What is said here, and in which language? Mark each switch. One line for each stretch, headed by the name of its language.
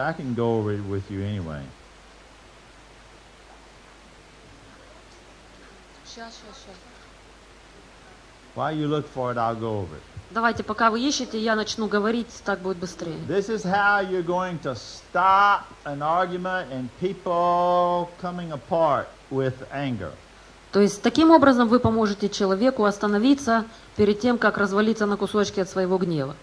English: I can go over it with you anyway. While you look for it, I'll go over it.
Russian: Давайте, пока вы ищете, я начну говорить, так будет быстрее.
English: This is how you're going to stop an argument and people coming apart with anger.
Russian: То есть таким образом вы поможете человеку остановиться перед тем, как развалиться на кусочки от своего гнева.